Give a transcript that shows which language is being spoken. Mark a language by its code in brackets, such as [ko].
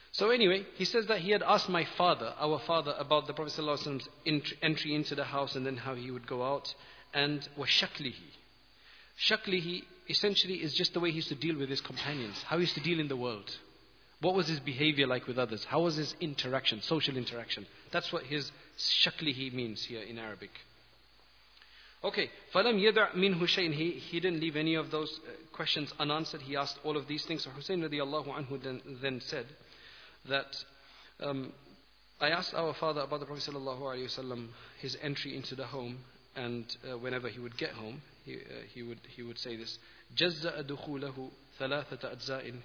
[en] So anyway, he says that he had asked our father, about the Prophet sallallahu alaihi wasallam's entry into the house, and then how he would go out, and wa shaklihi. Shaklihi essentially is just the way he used to deal with his companions, how he used to deal in the world. What was his behavior like with others? How was his interaction, social interaction? That's what his shaklihi means here in Arabic. [ar] Okay, فَلَمْ يَدْعْ مِنْ هُشَيْنِ. [en] He didn't leave any of those questions unanswered. He asked all of these things. So Hussein radiallahu anhu then said that, I asked our father about the Prophet sallallahu alayhi wasallam, his entry into the home, and whenever he would get home, he would say this, [ar] جَزَّأَ دُخُولَهُ ثَلَاثَةَ أَجْزَاءٍ.